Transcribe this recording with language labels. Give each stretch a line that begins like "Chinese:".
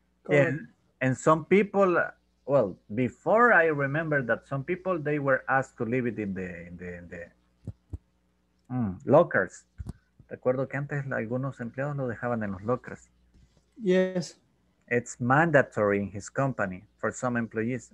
English: And some people, well, before I remember that some people, they were asked to leave it in the lockers.
Spanish: Recuerdo que antes algunos empleados lo dejaban en los lockers.
English: Yes. It's mandatory in his company for some employees.